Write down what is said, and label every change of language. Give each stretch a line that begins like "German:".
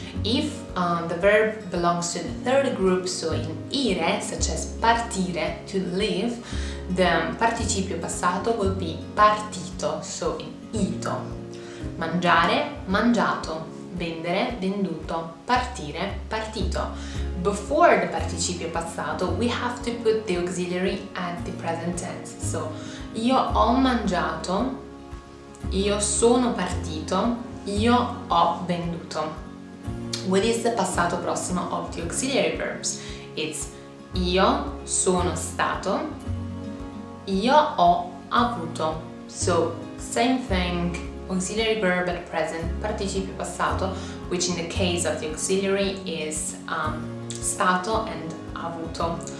English: If the verb belongs to the third group, so in ire, such as partire, to leave, the participio passato will be partito, so in ito.
Italian: Mangiare, mangiato. Vendere, venduto. Partire, partito.
English: Before the participio passato, we have to put the auxiliary at the present tense.
Italian: So, io ho mangiato, io sono partito, io ho venduto.
English: What is the passato prossimo of the auxiliary verbs?
Italian: It's io sono stato, io ho avuto.
English: So, same thing. Auxiliary verb at present, participio passato, which in the case of the auxiliary is stato and avuto.